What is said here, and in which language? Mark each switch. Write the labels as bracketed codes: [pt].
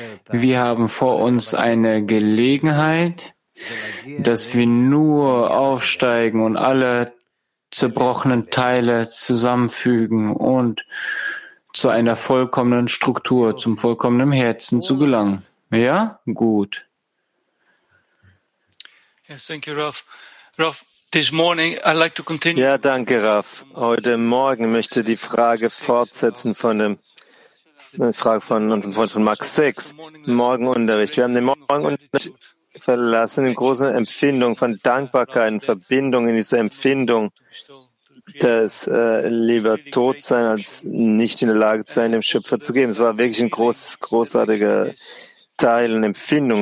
[de] Wir haben vor uns eine Gelegenheit, dass wir nur aufsteigen und alle zerbrochenen Teile zusammenfügen und zu einer vollkommenen Struktur, zum vollkommenen Herzen zu gelangen. Ja? Gut. [en] Yes, thank you, Raf. Raf, this morning I'd like to continue. [de] Ja, danke, Raf. Heute Morgen möchte die Frage fortsetzen von dem eine Frage von unserem Freund von Max 6. Morgenunterricht. Wir haben den Morgenunterricht verlassen, in großen Empfindung von Dankbarkeit, in Verbindung in dieser Empfindung, dass lieber tot sein, als nicht in der Lage zu sein, dem Schöpfer zu geben. Es war wirklich ein großartiger Teil und Empfindung.